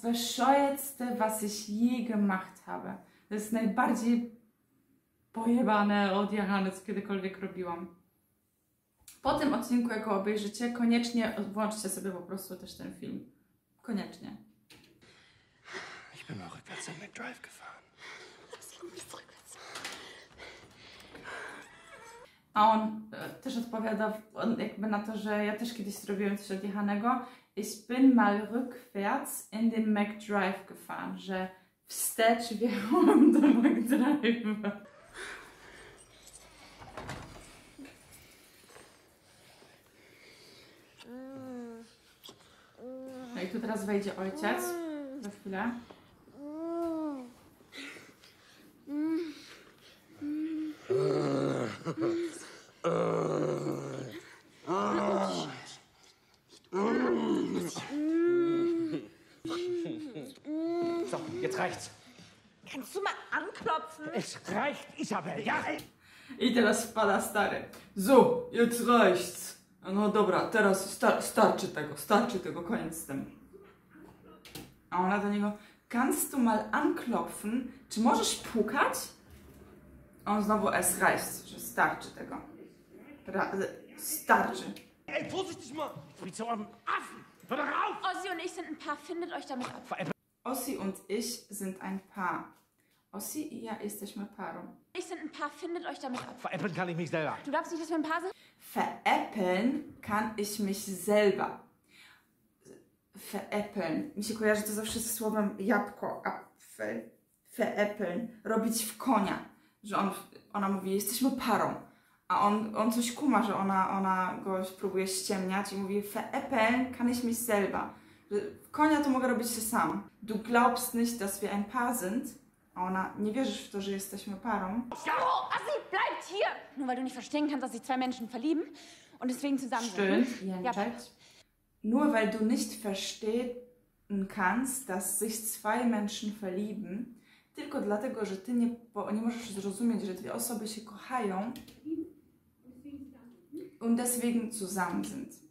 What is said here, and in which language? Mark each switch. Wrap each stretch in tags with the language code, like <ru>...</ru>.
<de>bescheuertste, was ich je gemacht habe.</de> <pl>To jest najbardziej pojebane, odjechane, co kiedykolwiek robiłam. Po tym odcinku, jak go obejrzycie, koniecznie włączcie sobie po prostu też ten film. Koniecznie.</pl> <de>Ich bin mal rückwärts in den Drive gefahren. Lass ihn mich zurückwärts.</de> <pl>A on też odpowiada jakby na to, że ja też kiedyś zrobiłem coś odjechanego.</pl> <de>Ich bin mal rückwärts in den McDrive gefahren.</de> <pl>Że wstecz wjechałam do McDrive'a. No i tu teraz wejdzie ojciec. Za chwilę.</pl> <de>So, jetzt reicht's. Kannst du mal anklopfen? Es reicht, Isabel, ja!</de> <pl>I teraz wpada stary.</pl> <de>So, jetzt reicht's.</de> <pl>No dobra, teraz starczy tego, koniec z tym. A ona do niego,</pl> <de>kannst du mal anklopfen?</de> <pl>Czy możesz pukać? A on znowu,</pl> <de>es reicht,</de> <pl>że starczy tego. Starczy.</pl> <de>Ey, vorsichtig mal! Wie zu einem Affen! Hör doch auf! Ossi und ich sind ein Paar, findet euch damit ab. Ossi und ich sind ein Paar.</de> <pl>Ossi i ja jesteśmy parą.</pl> <de>Ich sind ein Paar, findet euch damit ab. Veräppeln kann ich mich selber. Du glaubst nicht, dass wir ein Paar sind? Veräppeln kann ich mich selber. Veräppeln.</de> <pl>Mi się kojarzy to zawsze ze słowem jabłko. Apfel. Veräppeln. Robić w konia. Że on, ona mówi, jesteśmy parą. A on coś kuma, że ona go próbuje ściemniać i mówi,</pl> <de>veräppeln kann ich mich selber.</de> <pl>Że konia to mogę robić się sam.</pl> <de>Du glaubst nicht, dass wir ein Paar sind.</de> <pl>A ona, nie wierzysz w to, że jesteśmy parą?</pl> <de>Oh, Ossi, bleib hier! Nur weil du nicht verstehen kannst, dass sich zwei Menschen verlieben und deswegen zusammen sind. Stimmt, Jentschalt. Nur weil du nicht verstehen kannst, dass sich zwei Menschen verlieben,</de> <pl>tylko dlatego, że ty nie możesz zrozumieć, że dwie osoby się kochają</pl> <de>und deswegen zusammen sind.</de>